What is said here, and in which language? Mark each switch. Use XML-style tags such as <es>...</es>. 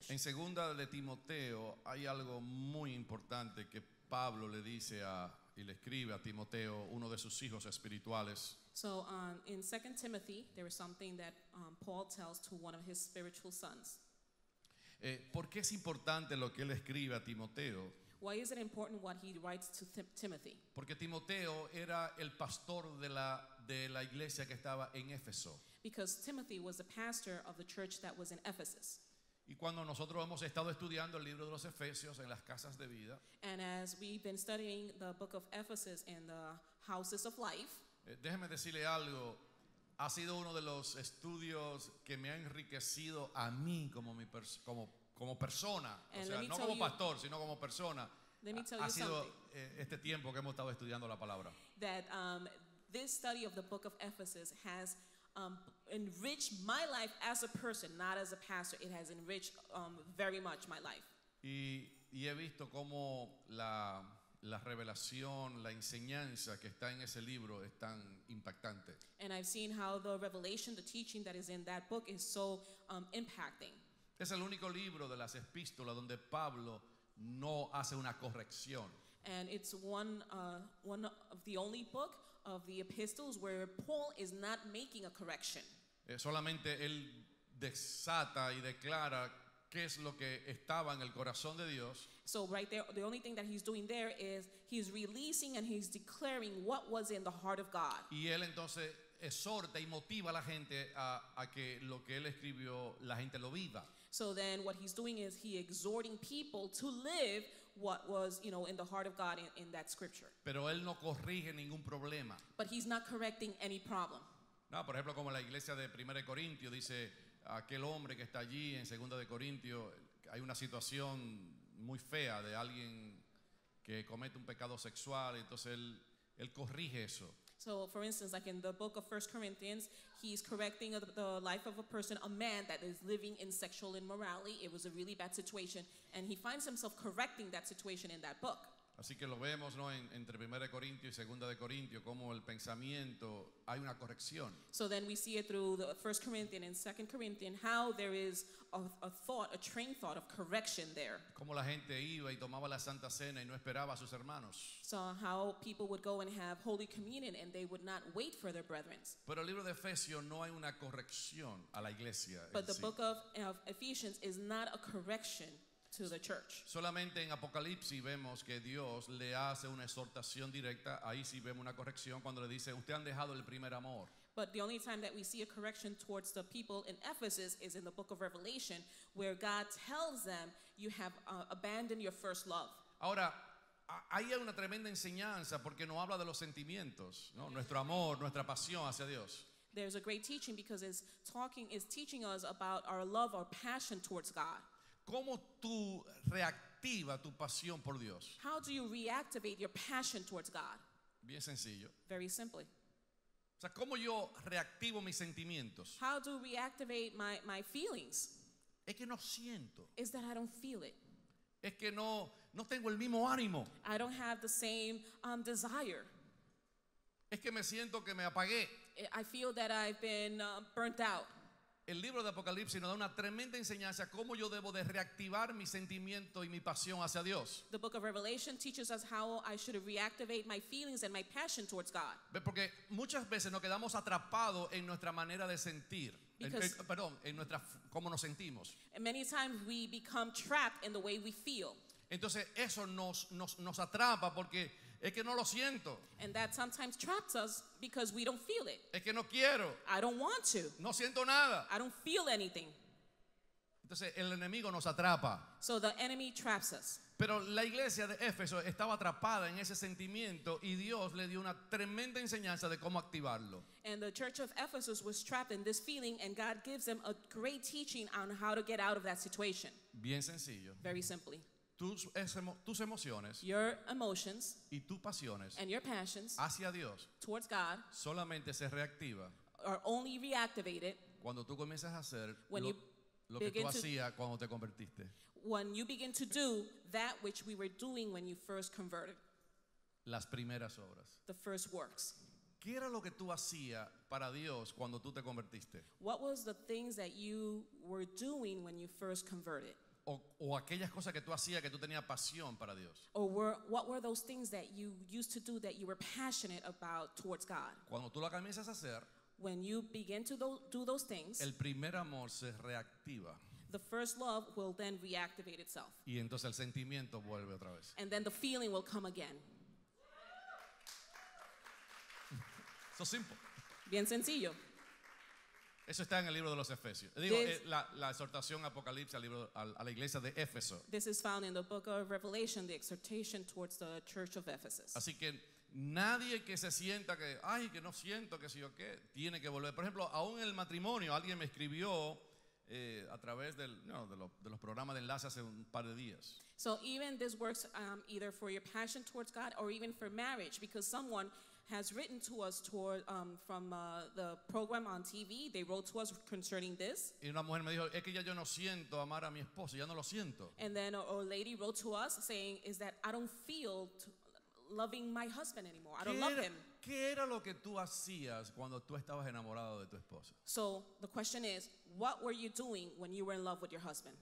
<es>En segunda de Timoteo hay algo muy importante que Pablo le dice a y le escribe a Timoteo, uno de sus hijos espirituales.</es> <en>So in 2 Timothy there is something that Paul tells to one of his spiritual sons.</en> <es>¿Por qué es importante lo que él escribe a Timoteo?</es> <en>Why is it important what he writes to Timothy?</en> <es>Porque Timoteo era el pastor de la iglesia que estaba en Éfeso.</es> <en>Because Timothy was the pastor of the church that was in Ephesus.</en> <es>Y cuando nosotros hemos estado estudiando el libro de los Efesios en las casas de vida,</es> <en>and as we've been studying the book of Ephesus in the houses of life,</en> <es>déjeme decirle algo. Ha sido uno de los estudios que me ha enriquecido a mí como mi como persona,</es> <en>and</en> <es>o sea, no como pastor, sino como persona.</es> <en>Let me tell</en> <es>ha</es> <en>you</en> <es>sido</es> <en>something.</en> <es>Este tiempo que hemos estado estudiando la palabra.</es> <en>That this study of the book of Ephesus has enriched my life as a person, not as a pastor. It has enriched very much my life.</en> <es>Y he visto cómo la revelación, la enseñanza que está en ese libro es tan impactante.</es> <en>And I've seen how the revelation, the teaching that is in that book is so impacting.</en> <es>Es el único libro de las epístolas donde Pablo no hace una corrección.</es> <en>And it's one of the only book of the epistles where Paul is not making a correction.</en> <es>Solamente él desata y declara qué es lo que estaba en el corazón de Dios.</es> <en>So right there, the only thing that he's doing there is he's releasing and he's declaring what was in the heart of God.</en> <es>Y él entonces exhorta y motiva a la gente a que lo que él escribió la gente lo viva.</es> <en>So then what he's doing is he exhorting people to live what was, you know, in the heart of God in that scripture.</en> <es>Pero él no corrige ningún problema.</es> <en>But he's not correcting any problem.</en> <es>No, por ejemplo, como la iglesia de 1 Corintios dice, aquel hombre que está allí en 2 de Corintios, hay una situación muy fea de alguien que comete un pecado sexual, entonces él corrige eso.</es> <en>So, for instance, like in the book of 1 Corinthians, he's correcting the life of a person, a man that is living in sexual immorality. It was a really bad situation, and he finds himself correcting that situation in that book.</en> <es>Así que lo vemos, ¿no? Entre 1 Corintios y 2 de Corintios, como el pensamiento, hay una corrección.</es> <en>So then we see it through the 1 Corinthians and 2 Corinthians, how there is a thought, a train thought of correction there.</en> <es>Como la gente iba y tomaba la Santa Cena y no esperaba a sus hermanos.</es> <en>So how people would go and have Holy Communion and they would not wait for their brethren.</en> <es>Pero el libro de Efesios no hay una corrección a la iglesia.</es> <en>But the</en> <es>sí.</es> <en>book of Ephesians is not a correction. To the church.</en> <es>Solamente en Apocalipsis vemos que Dios le hace una exhortación directa. Ahí sí vemos una corrección cuando le dice, usted han dejado el primer amor.</es> <en>But the only time that we see a correction towards the people in Ephesus is in the book of Revelation, where God tells them, you have abandoned your first love.</en> <es>Ahora, ahí hay una tremenda enseñanza porque no habla de los sentimientos, ¿no? Nuestro amor, nuestra pasión hacia Dios.</es> <en>There's a great teaching because it's teaching us about our love, our passion towards God.</en> <es>¿Cómo tú reactivas tu pasión por Dios?</es> <en>How do you reactivate your passion towards God?</en> <es>Bien sencillo.</es> <en>Very simply.</en> <es>O sea, ¿cómo yo reactivo mis sentimientos?</es> <en>How do you reactivate my feelings?</en> <es>Es que no siento.</es> <en>Is that I don't feel it.</en> <es>Es que no tengo el mismo ánimo.</es> <en>I don't have the same desire.</en> <es>Es que me siento que me apagué.</es> <en>I feel that I've been burnt out.</en> <es>El libro de Apocalipsis nos da una tremenda enseñanza cómo yo debo de reactivar mi sentimiento y mi pasión hacia Dios.</es> <en>The book of Revelation teaches us how I should reactivate my feelings and my passion towards God.</en> <es>Porque muchas veces nos quedamos atrapados en nuestra manera de sentir, en nuestra cómo nos sentimos.</es> <en>And many times we become trapped in the way we feel.</en> <es>Entonces eso nos atrapa porque es que no lo siento.</es> <en>And that sometimes traps us because we don't feel it.</en> <es>Es que no quiero.</es> <en>I don't want to.</en> <es>No siento nada.</es> <en>I don't feel anything.</en> <es>Entonces el enemigo nos atrapa.</es> <en>So the enemy traps us.</en> <es>Pero la iglesia de Éfeso estaba atrapada en ese sentimiento y Dios le dio una tremenda enseñanza de cómo activarlo.</es> <en>And the church of Ephesus was trapped in this feeling and God gives them a great teaching on how to get out of that situation.</en> <es>Bien sencillo.</es> <en>Very simply.</en> <es>Tus emociones,</es> <en>your emotions,</en> <es>y tus pasiones,</es> <en>and your passions,</en> <es>hacia Dios,</es> <en>towards God,</en> <es>solamente se reactiva,</es> <en>are only reactivated,</en> <es>cuando tú comienzas a hacer lo que tú hacías cuando te convertiste,</es> <en>when you begin to do that which we were doing when you first converted,</en> <es>las primeras obras,</es> <en>the first works.</en> <es>¿Qué era lo que tú hacías para Dios cuando tú te convertiste?</es> <en>What was the things that you were doing when you first converted?</en> <es>o aquellas cosas que tú hacías que tú tenías pasión para Dios.</es> <en>Or were, what were those things that you used to do that you were passionate about towards God?</en> <es>Cuando tú lo comienzas a hacer,</es> <en>when you begin to do those things,</en> <es>el primer amor se reactiva.</es> <en>The first love will then reactivate itself.</en> <es>Y entonces el sentimiento vuelve otra vez.</es> <en>And then the feeling will come again. So simple.</en> <es>Bien sencillo. Eso está en el libro de los Efesios. Digo, la exhortación Apocalipsis al libro a la iglesia de Éfeso.</es> <en>This is found in the book of Revelation, the exhortation towards the church of Ephesus.</en> <es>Así que nadie que se sienta que, ay, que no siento, que sí o qué, tiene que volver. Por ejemplo, aún en el matrimonio, alguien me escribió a través del, no, de los programas de enlace hace un par de días.</es> <en>So even this works either for your passion towards God or even for marriage, because someone has written to us toward, from the program on TV. They wrote to us concerning this.</en> <es>Y una mujer me dijo, es que ya yo no siento amar a mi esposo, ya no lo siento.</es> <en>And then a lady wrote to us saying, is that I don't feel loving my husband anymore. I don't love him.</en> <es>¿Qué era lo que tú hacías cuando tú estabas enamorado de tu esposo?</es> <en>So the question is, what were you doing when you were in love with your husband?</en>